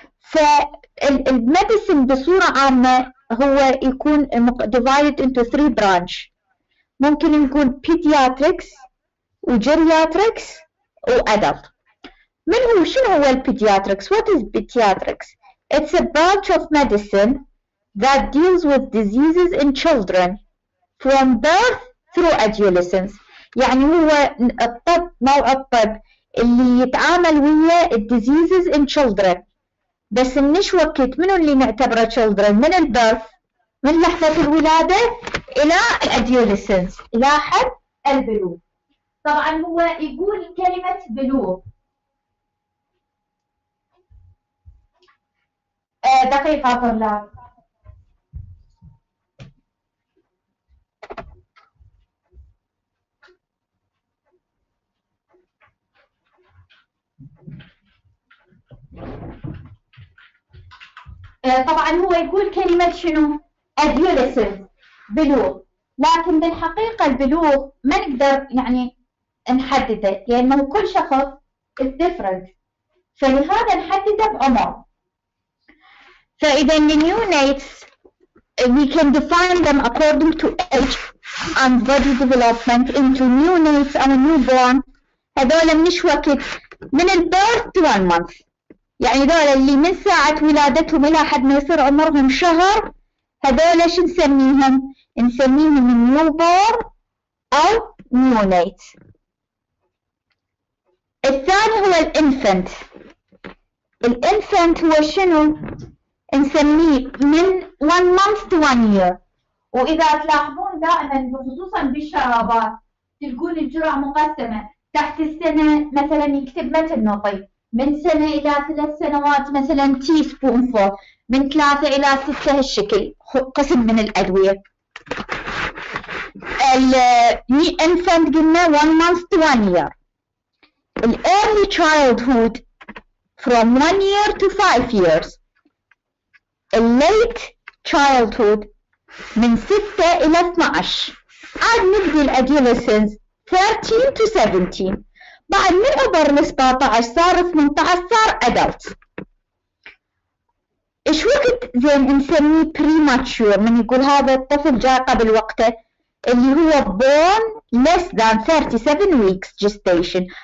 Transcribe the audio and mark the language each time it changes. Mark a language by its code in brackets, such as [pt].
[ar] فالميديسن بصورة عامة هو يكون [en] divided into 3 branch، [ar] ممكن نقول pediatrics و geriatrics و adult. من هو شنو هو pediatrics؟ [en] What is pediatrics? It's a branch of medicine that deals with diseases in children from birth through adolescence. [ar] يعني هو الطب، نوع الطب اللي يتعامل ويا [en] diseases in children، [ar] بس منش وقت، من اللي نعتبره children؟ من البرث، من لحظة الولادة إلى الأديوليسنس، إلى حد البلوغ. طبعا هو يقول كلمة بلوغ، دقيقة طلاب، طبعا هو يقول كلمة شنو؟ adolescence، بلوغ. لكن بالحقيقة البلوغ ما نقدر يعني نحدده، لأنه يعني كل شخص [en] is different، [ar] فلهذا نحدده بعمر. [en] فإذا the new nates we can define them according to age and body development into new nates and a newborn. [ar] هذول من شو وقت؟ من البيرث [en] to 1 month، [ar] يعني هذول اللي من ساعة ولادتهم إلى حد ما يصير عمرهم شهر، هذول شو نسميهم؟ نسميهم newborn أو neonate. الثاني هو الانفنت. الانفنت هو شنو؟ نسميه من [en] 1 month to 1 year. [ar] وإذا تلاحظون دائما خصوصا بالشرابات تلقون الجرعة مقسمة تحت السنة، مثلا يكتب متى نعطي، من سنة إلى 3 سنوات مثلا تي سبون فور، من 3 إلى 6 هالشكل قسم من الأدوية. [en] ال infant قلنا 1 month to 1 year. ال early childhood from 1 year to 5 years. [ar] ال [en] late childhood [ar] من 6 إلى 12. عاد نبدي ال adolescence 13 to 17. بعد من عبر 17 صار 18 صار adult. إيش وقت زين نسميه premature؟ من يقول هذا الطفل جاء قبل وقته، اللي هو [en] born less than 37 weeks gestation.